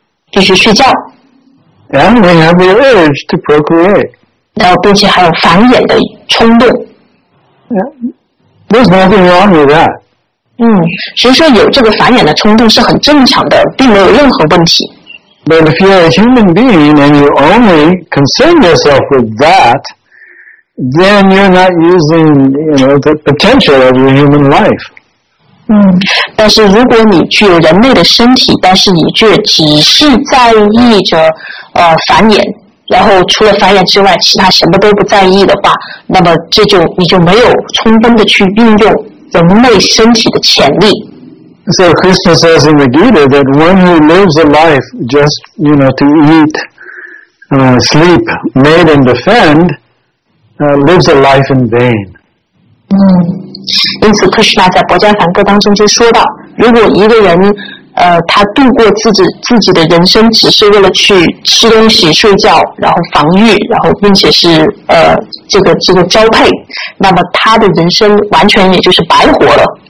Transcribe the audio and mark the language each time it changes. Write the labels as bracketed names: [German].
[Chinese] 必须睡觉。 [English] And we have the urge to procreate. [Chinese] 然后并且还有繁衍的冲动。 [English] Yeah, there's nothing wrong with that. [Chinese] 嗯，所以说有这个繁衍的冲动是很正常的，并没有任何问题。 [English] But if you're a human being and you only concern yourself with that,then you're not using, you know, the potential of your human life. [Chinese] 嗯，但是如果你具有人类的身体，但是你却只是在意着繁衍，然后除了繁衍之外，其他什么都不在意的话，那么这就你就没有充分的去运用人类身体的潜力。 [English] So Krishna says in the Gita that one who lives a life just, you know, to eat, sleep, mate, and defendlives a life in vain. [Chinese] 嗯，因此 Krishna 在《薄伽梵歌》当中就说到，如果一个人他度过自己的人生，只是为了去吃东西、睡觉，然后防御，然后并且是这个交配，那么他的人生完全也就是白活了。